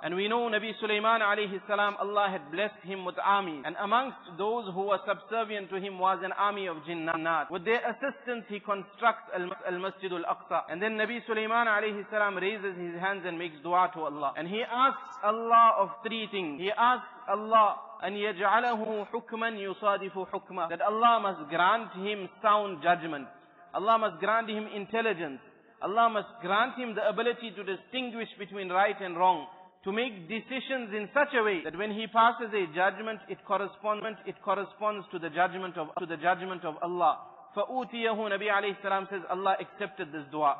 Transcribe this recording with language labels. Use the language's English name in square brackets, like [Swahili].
[English] And we know Nabi Sulaiman alayhi salam, Allah had blessed him with army. And amongst those who were subservient to him was an army of jinnat. With their assistance, he constructs Al-Masjidul Aqsa. And then Nabi Sulaiman alayhi salam raises his hands and makes dua to Allah. And he asks Allah of three things. He asks Allah, [Arabic] أن يجعله حكما يصادف حكما. [English] That Allah must grant him sound judgment. Allah must grant him intelligence. Allah must grant him the ability to distinguish between right and wrong, to make decisions in such a way that when he passes a judgment, it corresponds to the judgment of Allah. فَأُوتِيَهُ Nabi alayhi salam says, Allah accepted this dua.